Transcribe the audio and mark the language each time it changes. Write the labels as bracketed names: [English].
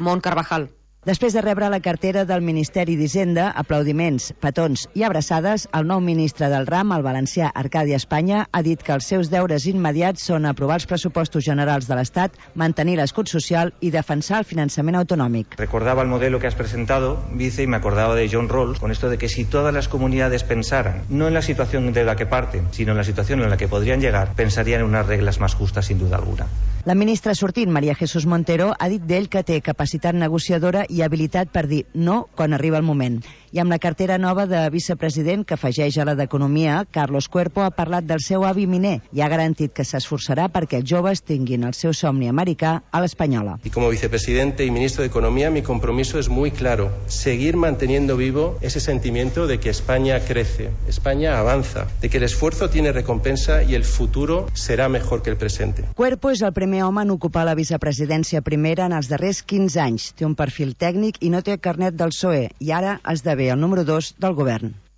[Catalan] Mont Carvajal. Després de rebre la cartera del Ministeri d'Hisenda, aplaudiments, petons i abraçades, el nou ministre del RAM, el valencià Arcadi Espanya, ha dit que els seus deures immediats són aprovar els pressupostos generals de l'Estat, mantenir l'escut social i defensar el finançament autonòmic. [Spanish] Recordava el modelo que has presentado, vice, y me acordaba de John Rawls, con esto de que si todas las comunidades pensaran, no en la situación de la que parten, sino en la situación en la que podrían llegar, pensarían en unas reglas más justas, sin duda alguna. [Catalan] La ministra sortint, Maria Jesús Montero, ha dit d'ell que té capacitat negociadora i habilitat per dir no quan arriba el moment. I amb la cartera nova de vicepresident que afegeix a la d'Economia, Carlos Cuerpo ha parlat del seu avi miner i ha garantit que s'esforçarà perquè els joves tinguin el seu somni americà a l'espanyola. [Spanish] Y como vicepresidente y ministro de Economía, mi compromiso es muy claro, seguir manteniendo vivo ese sentimiento de que España crece, España avanza, de que el esfuerzo tiene recompensa y el futuro será mejor que el presente. [Catalan] Cuerpo és el primer home en ocupar la vicepresidència primera en els darrers 15 anys. Té un perfil tècnic i no té carnet del PSOE, i ara esdevé el número 2 del govern.